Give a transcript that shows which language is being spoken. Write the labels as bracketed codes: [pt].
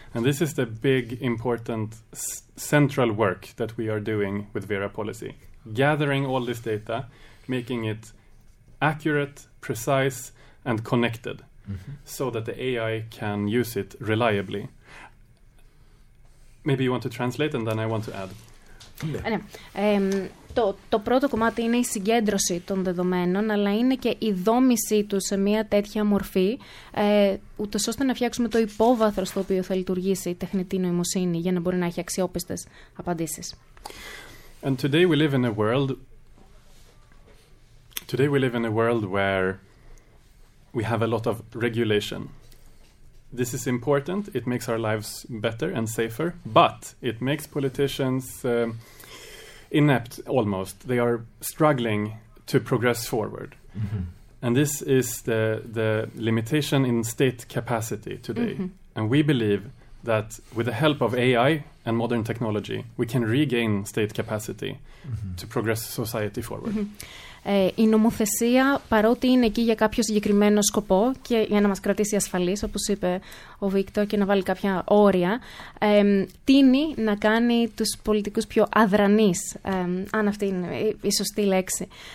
[en] And this is the big, important, central work that we are doing with Vera Policy. Gathering all this data, making it accurate, precise, and connected, mm-hmm. so that the AI can use it reliably. Maybe you want to translate, and then I want to add. Yeah. [el] Το πρώτο κομμάτι είναι η συγκέντρωση των δεδομένων, αλλά είναι και η δόμησή του σε μια τέτοια μορφή, ούτως ώστε να φτιάξουμε το υπόβαθρο στο οποίο θα λειτουργήσει η τεχνητή νοημοσύνη για να μπορεί να έχει αξιόπιστες απαντήσεις. [en] And today we live in a world... Today we live in a world where we have a lot of regulation. This is important. It makes our lives better and safer, but it makes politicians inept almost. They are struggling to progress forward. Mm-hmm. And this is the limitation in state capacity today. Mm-hmm. And we believe that with the help of AI and modern technology, we can regain state capacity mm-hmm. to progress society forward. Mm-hmm. [el] Η νομοθεσία, παρότι είναι εκεί για κάποιο συγκεκριμένο σκοπό και για να μας κρατήσει ασφαλείς, όπως είπε ο Βίκτορ, και να βάλει κάποια όρια, τίνει να κάνει τους πολιτικούς πιο αδρανείς, αν αυτή είναι η σωστή λέξη.